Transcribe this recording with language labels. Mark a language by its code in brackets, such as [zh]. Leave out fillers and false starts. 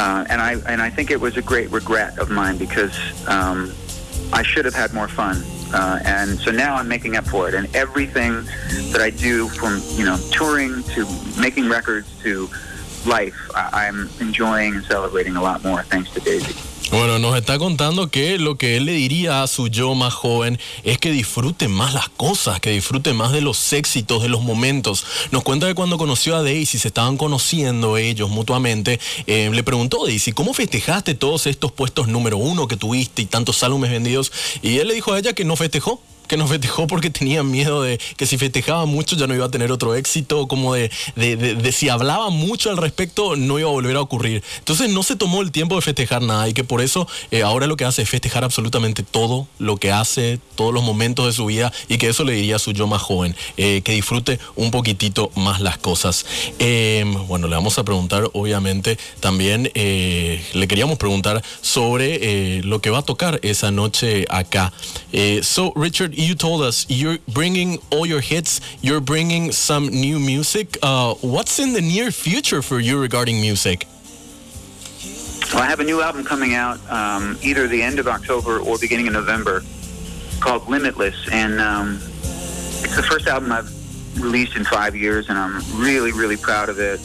[en] And I think it was a great regret of mine because I should have had more fun, and so now I'm making up for it. And everything that I do, from, you know, touring to making records to life, I'm enjoying and celebrating a lot more thanks to Daisy. [es] Bueno, nos está contando que lo que él le diría a su yo más joven es que disfrute más las cosas, que disfrute más de los éxitos, de los momentos. Nos cuenta que cuando conoció a Daisy, se estaban conociendo ellos mutuamente, le preguntó a Daisy, ¿cómo festejaste todos estos puestos número uno que tuviste y tantos álbumes vendidos? Y él le dijo a ella que no festejó. Que nos festejó porque tenía miedo de que si festejaba mucho ya no iba a tener otro éxito, como de si hablaba mucho al respecto no iba a volver a ocurrir. Entonces no se tomó el tiempo de festejar nada y que por eso ahora lo que hace es festejar absolutamente todo lo que hace, todos los momentos de su vida, y que eso le diría a su yo más joven, que disfrute un poquitito más las cosas. Bueno, le vamos a preguntar obviamente también, le queríamos preguntar sobre lo que va a tocar esa noche acá. [en] So, Richard, you told us you're bringing all your hits, you're bringing some new music. What's in the near future for you regarding music? Well, I have a new album coming out either the end of October or beginning of November called Limitless, and it's the first album I've released in 5 years, and I'm really, really proud of it.